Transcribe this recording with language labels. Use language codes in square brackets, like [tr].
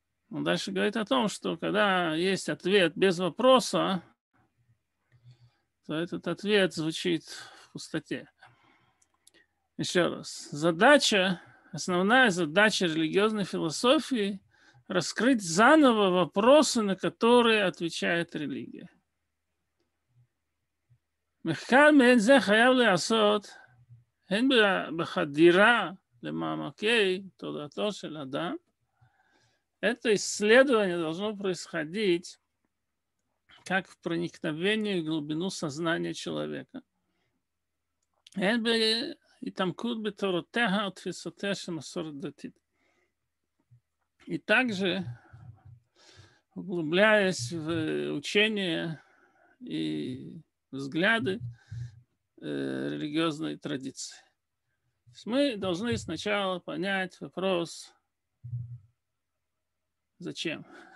[ru] Он дальше говорит о том, что когда есть ответ без вопроса, то этот ответ звучит в пустоте. Еще раз. Задача, основная задача религиозной философии – раскрыть заново вопросы, на которые отвечает религия. [he] מחקר מעין זה חייב לעשות הן בחדירה למעמקי תודעתו של אדם. [ru] Это исследование должно происходить как в проникновении в глубину сознания человека. [he] הן בהתעמקות בתורותיה ותפיסותיה של מסורת דתית. [ru] И также, углубляясь в учение и взгляды религиозной традиции. Мы должны сначала понять вопрос, зачем.